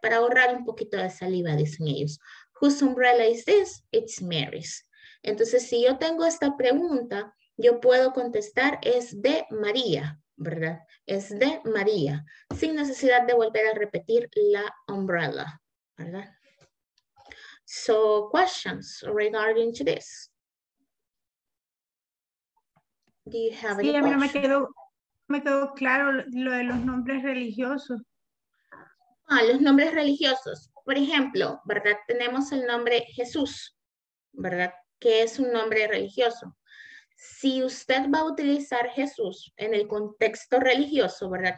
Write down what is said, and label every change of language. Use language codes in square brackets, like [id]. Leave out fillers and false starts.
[es] Para ahorrar un poquito de saliva, dicen ellos. [en] Whose umbrella is this? It's Mary's. [es] Entonces, si yo tengo esta pregunta, yo puedo contestar, es de María, ¿verdad? Es de María, sin necesidad de volver a repetir la umbrella, ¿verdad? [en] So, questions regarding to this. Do you have [es] sí, [en] any [es] a mí [en] questions? [es] No me quedó claro lo de los nombres religiosos. Ah, los nombres religiosos. Por ejemplo, ¿verdad? Tenemos el nombre Jesús, ¿verdad? Que es un nombre religioso. Si usted va a utilizar Jesús en el contexto religioso, ¿verdad?